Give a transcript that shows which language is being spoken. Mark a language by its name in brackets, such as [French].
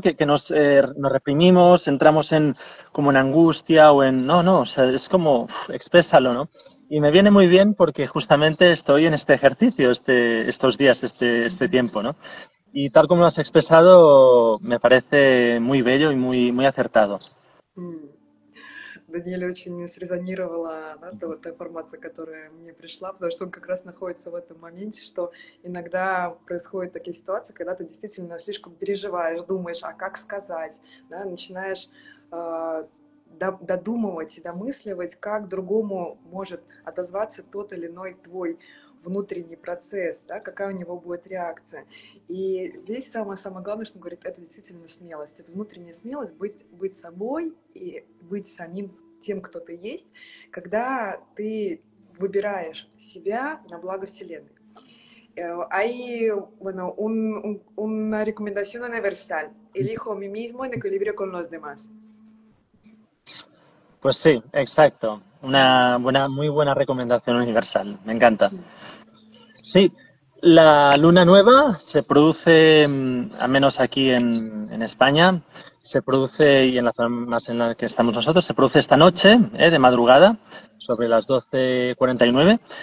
[Spanish] Que nos reprimimos, entramos en como en angustia o en no, o sea, es como exprésalo, ¿no? Y me viene muy bien porque justamente estoy en este ejercicio, estos días, este tiempo, ¿no? Y tal como lo has expresado, me parece muy bello y muy muy acertado. [Russian] Даниэль очень срезонировала, да, та информация, которая мне пришла, потому что он как раз находится в этом моменте, что иногда происходят такие ситуации, когда ты действительно слишком переживаешь, думаешь, а как сказать, да, начинаешь додумывать и домысливать, как другому может отозваться тот или иной твой внутренний процесс, да, какая у него будет реакция. И здесь самое главное, что он говорит, это действительно смелость, это внутренняя смелость быть собой и быть самим тем, кто ты есть, когда ты выбираешь себя на благо Вселенной. [Spanish] Ahí, bueno, una recomendación universal. Elijo a mí mismo en equilibrio con los demás. Pues sí, exacto. Una buena, muy buena recomendación universal. Me encanta. Sí, la luna nueva se produce, al menos aquí en España, se produce, y en la zona más en la que estamos nosotros, se produce esta noche, de madrugada, sobre las 12:49.